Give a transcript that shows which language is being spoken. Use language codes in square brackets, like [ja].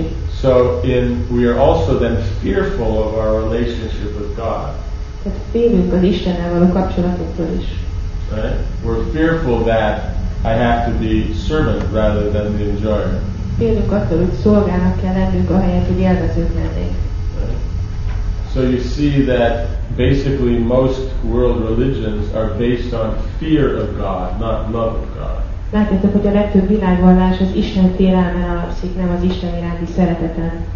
[en] So in we are also then fearful of our relationship with God. Right? We're fearful that I have to be servant rather than the enjoyer. [hu] Félünk attól, hogy szolgának kell lennünk, ahelyett, hogy élvezők lennénk. [en] So you see that basically most world religions are based on fear of God, not love of God. [hu] Látjátok, hogy a legtöbb világvallás az Isten félelmen alapszik, nem az Isten iránti szereteten.